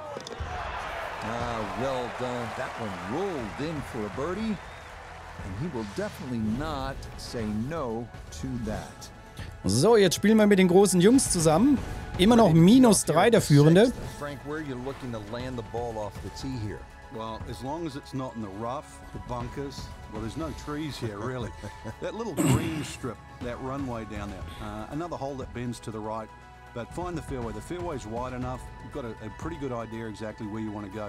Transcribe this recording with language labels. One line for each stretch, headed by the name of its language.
English: Ah, well done. That one rolled in for a birdie. And he will definitely not say no to that.
German: So, jetzt spielen wir mit den großen Jungs zusammen. Immer noch minus 3 der Führende.
English: Frank, where are you looking to land the ball off the tee here? Well, as long as it's not in the rough, the bunkers, well, there's no trees here, really. That little green strip, that runway down there, another hole that bends to the right. But find the fairway. The fairway's wide enough. You've got a pretty good idea exactly where you want to go.